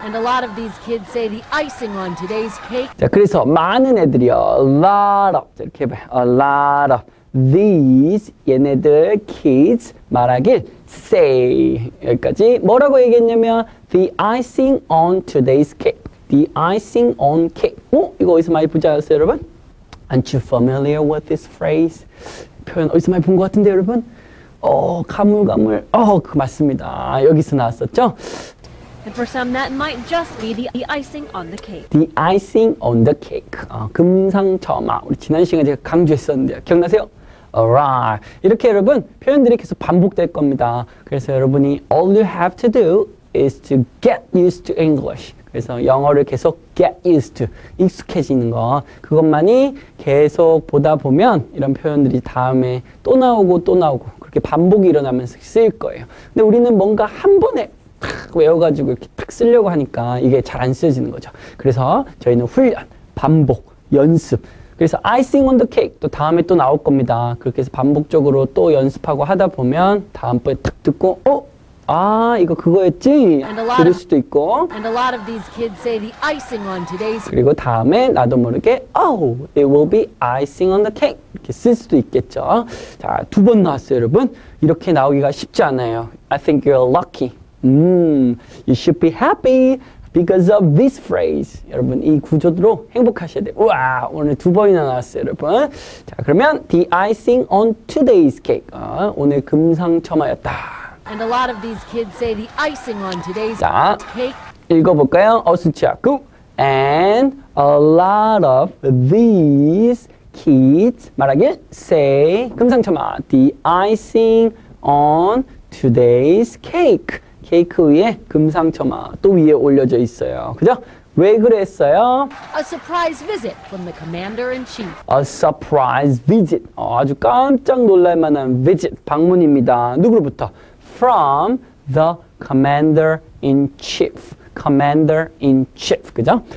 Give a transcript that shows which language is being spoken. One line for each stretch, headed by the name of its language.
English: And a lot of these kids say the icing on today's cake.
Korean: 자, 그래서 많은 애들이요.
English: A lot of.
Korean: 자, 이렇게 해봐요.
English: A lot of.
Korean: These, 얘네들, kids, 말하길, say. 여기까지. 뭐라고 얘기했냐면,
English: the icing on today's cake. The icing on cake. 어?
Korean: 이거 어디서 많이 보지 않았어요, 여러분?
English: Aren't you familiar with this phrase?
Korean: 표현 어디서 많이 본 것 같은데, 여러분? 가물가물. 그 맞습니다. 여기서 나왔었죠?
English: And for some, that might just be the icing on the cake. The icing on the cake. 금상첨화.
Korean: 우리 지난 시간에 제가 강조했었는데요. 기억나세요? Alright. 이렇게 여러분, 표현들이 계속 반복될 겁니다. 그래서 여러분이
English: all you have to do is to get used to English.
Korean: 그래서 영어를 계속 get used to, 익숙해지는 거. 그것만이 계속 보다 보면 이런 표현들이 다음에 또 나오고 또 나오고 그렇게 반복이 일어나면서 쓰일 거예요. 근데 우리는 뭔가 한 번에 탁 외워가지고 이렇게 탁 쓰려고 하니까 이게 잘 안 쓰여지는 거죠. 그래서 저희는 훈련, 반복, 연습. 그래서 icing on the cake 또 다음에 또 나올 겁니다. 그렇게 해서 반복적으로 또 연습하고 하다 보면 다음번에 탁 듣고 이거 그거였지? 들을 수도 있고.
English: And a lot of these kids say the icing on today's.
Korean: 그리고 다음에 나도 모르게
English: it will be icing on the cake
Korean: 이렇게 쓸 수도 있겠죠. 자, 두 번 나왔어요, 여러분. 이렇게 나오기가 쉽지 않아요.
English: I think you're lucky. You should be happy because of this phrase.
Korean: 여러분, 이 구조로 행복하셔야 돼요. 우와, 오늘 두 번이나 나왔어요, 여러분. 자, 그러면
English: the icing on today's cake.
Korean: 오늘 금상첨화였다.
English: And a lot of these kids say the icing on today's
Korean: 자,
English: cake.
Korean: 읽어볼까요? 어순치하고.
English: And a lot of these kids 말하길 say 금상첨화 the icing on today's cake.
Korean: 케이크 위에 금상첨화 또 위에 올려져 있어요. 그죠? 왜 그랬어요?
English: A surprise visit from the commander in chief. A surprise visit.
Korean: 아주 깜짝 놀랄 만한 visit 방문입니다. 누구로부터?
English: From the commander in chief. Commander in chief. 그죠?